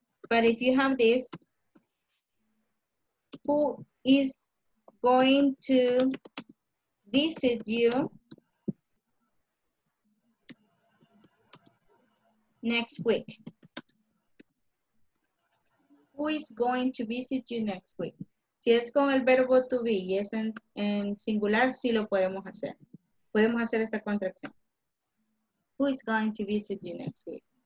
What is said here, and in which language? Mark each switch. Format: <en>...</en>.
<en>But if you have this, who is going to visit you next week? Who is going to visit you next week?</en> <es>Si es con el verbo to be y es en singular, sí lo podemos hacer. Podemos hacer esta contracción.</es> <en>Who is going to visit you next week?</en>